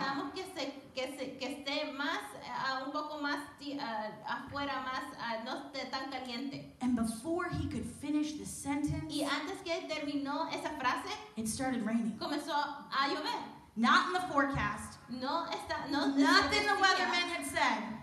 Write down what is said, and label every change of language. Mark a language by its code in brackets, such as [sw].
[es] Necesitamos que esté más, un poco más afuera, más, no esté tan caliente. [en] And before he could finish the sentence, [es] y antes que terminó esa frase, [en] it started raining. [es] Comenzó a llover. [en] Not in the forecast. [es] No, [en] nothing the weathermen had said.